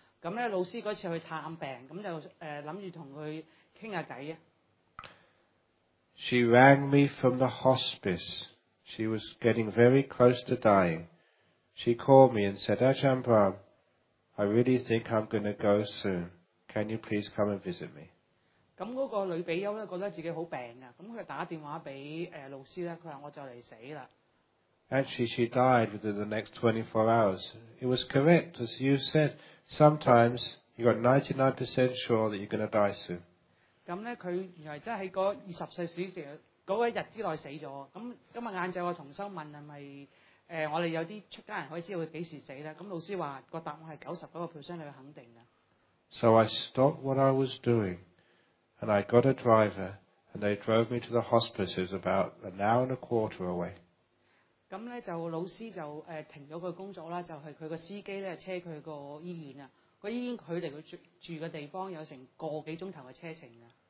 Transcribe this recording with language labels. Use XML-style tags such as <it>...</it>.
<yue>咁咧老師嗰次去探病，咁就諗住同佢傾下偈啊。</yue> <en>She rang me from the hospice. She was getting very close to dying. She called me and said, "Ajahn Brahm, I really think I'm going to go soon. Can you please come and visit me?"</en> <yue>咁嗰個女比丘咧，覺得自己好病啊！咁佢打電話俾老師咧，佢話我就嚟死啦。</yue> <en>Actually, she died within the next 24 hours. It was correct, as you said. Sometimes you got 99% sure that you're going to die soon.</en> <yue>咁咧，佢原來真係嗰24小時嗰一日之內死咗。咁今日晏晝我同修問係咪我哋有啲出家人可以知道佢幾時死咧？咁老師話個答案係99% 去肯定嘅。</yue> <en>So I stopped what I was doing. And I got a driver, and they drove me to the hospice, which was about an hour and a quarter away.</en> <yue>咁咧就老師就停咗佢工作啦，就係佢個司機咧車佢個醫院啊。個醫院距離佢住嘅地方有成個幾鐘頭嘅車程啊。</yue>